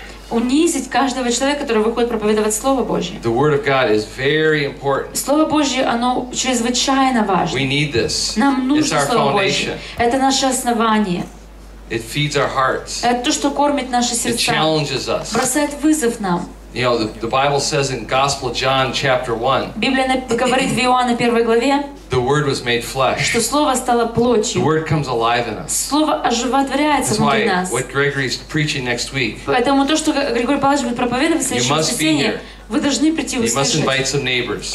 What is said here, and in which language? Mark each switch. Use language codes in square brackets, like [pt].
[ru] Унизить каждого человека, который выходит проповедовать Слово Божье. [en] The word of God is very important. [ru] Слово Божье, оно чрезвычайно важно. [en] We need this. [ru] Нам нужно Слово Божье. Это наше основание. [en] It feeds our hearts. [ru] Это то, что кормит наши сердца. [en] It challenges us. [ru] Бросает вызов нам. [en] You know, the Bible says in Gospel of John chapter 1. [ru] Библия говорит в Иоанна 1 главе. [en] The word was made flesh. [ru] Что слово стало плотью. [en] The word comes alive in us. [ru] Слово оживотворяется внутри нас. [en] That's why what Gregory's preaching next week. [ru] Поэтому то, что Григорий Павлович будет проповедовать в следующем воскресенье, вы должны прийти услышать. [en] You must invite some neighbors.